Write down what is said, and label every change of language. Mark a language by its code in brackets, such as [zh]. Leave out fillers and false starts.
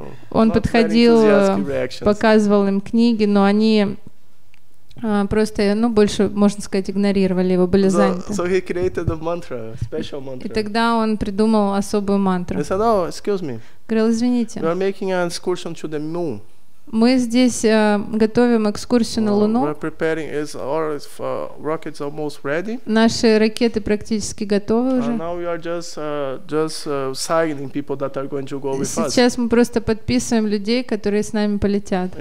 [ru] Он подходил, показывал им книги, но они просто, ну, больше, можно сказать, игнорировали его, были заняты. [en] So he created a mantra, special mantra. [ru] И тогда он придумал особую мантру. [en] He said, oh, excuse me. [ru] Говорил, извините. [en] We are making an excursion to the moon. [ru] Мы здесь готовим экскурсию на Луну. Наши ракеты практически готовы уже. Сейчас мы просто подписываем людей, которые с нами полетят.